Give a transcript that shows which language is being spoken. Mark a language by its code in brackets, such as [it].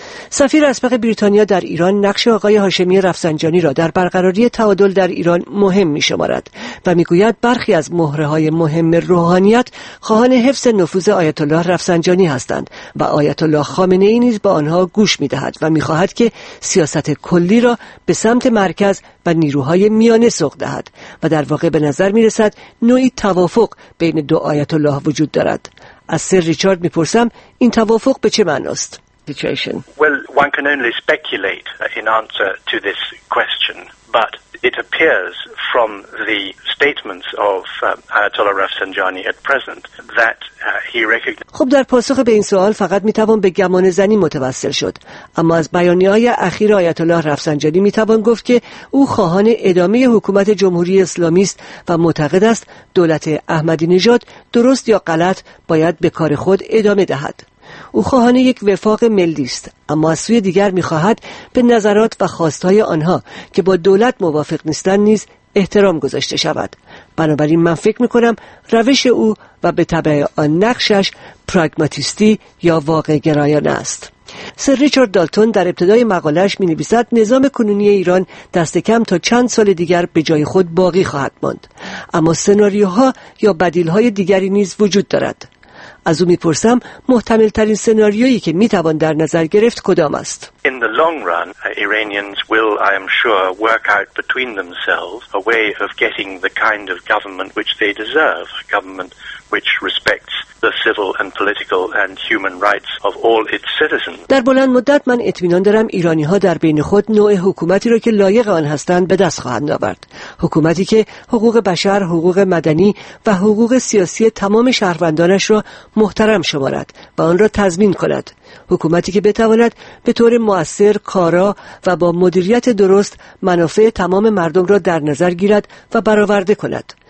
[fa] سفیر اسبق بریتانیا در ایران نقش آقای هاشمی رفسنجانی را در برقراری تعادل در ایران مهم می شمارد و می گوید برخی از مهره های مهم روحانیت خواهان حفظ نفوذ آیت الله رفسنجانی هستند و آیت الله خامنه ای نیز با آنها گوش می دهد و می خواهد که سیاست کلی را به سمت مرکز و نیروهای میانه سوق دهد و در واقع به نظر می رسد نوعی توافق بین دو آیت الله وجود دارد. از سر ریچارد می پرسم این توافق به چه معناست؟ [en] Situation. Well, one can only speculate in answer to this question, but it appears from the statements of Ayatollah Rafsanjani at present that he recognized. [fa] خب در پاسخ به این سوال فقط می توان به گمان زنی متوسل شد، اما از بیانیه‌های اخیر آیت الله رفسنجانی می توان گفت که او خواهان ادامه حکومت جمهوری اسلامی است و معتقد است دولت احمدی نژاد درست یا غلط باید به کار خود ادامه دهد. او خواهان یک وفاق ملی است، اما از سوی دیگر می‌خواهد به نظرات و خواستهای آنها که با دولت موافق نیستند نیز احترام گذاشته شود. بنابراین من فکر می‌کنم روش او و به تبع آن نقشش پراگماتیستی یا واقع‌گرایانه است. سر ریچارد دالتون در ابتدای مقالهش می‌نویسد نظام کنونی ایران دست کم تا چند سال دیگر به جای خود باقی خواهد ماند، اما سناریوها یا بدیل‌های دیگری نیز وجود دارد. از او می‌پرسم محتمل ترین سناریویی که می‌توان در نظر گرفت کدام است؟ [en] In the long run, Iranians will, I am sure, work out between themselves a way of getting the kind of government which they deserve, a government which respects the civil and political and human rights of all its citizens. [fa] در بلند مدت من اطمینان دارم ایرانی‌ها در بین خود نوع حکومتی را که لایق آن هستند به دست خواهند آورد. حکومتی که حقوق بشر، حقوق مدنی و حقوق سیاسی تمام شهروندانش را محترم شمارد و آن را تضمین کند. حکومتی که بتواند به طور مؤثر، کارا و با مدیریت درست منافع تمام مردم را در نظر گیرد و برآورده کند.